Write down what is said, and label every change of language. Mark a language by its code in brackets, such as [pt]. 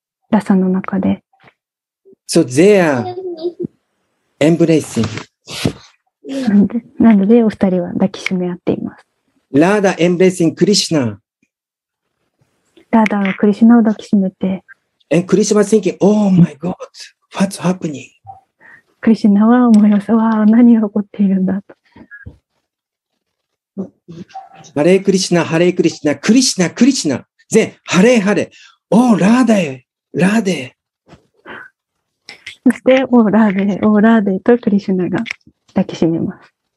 [ja] ラサの中で。 [en] So they are embracing. [ja] なのでお二人は抱きしめ合っています。 [en] ラーダ embracing クリシナ。 [ja] ラーダはクリシナを抱きしめて。 [en] And クリシナは thinking, Oh my God, what's happening? [ja] クリシナは思います。わあ、何が起こっているんだと。 [sa] ハレークリシナ、ハレークリシナ、クリシナ、クリシナ、ゼ、ハレーハレー、オーラーデー、ラーデー。 [ja] そして、オーラーデー、オーラーデーとクリシナが抱きしめます。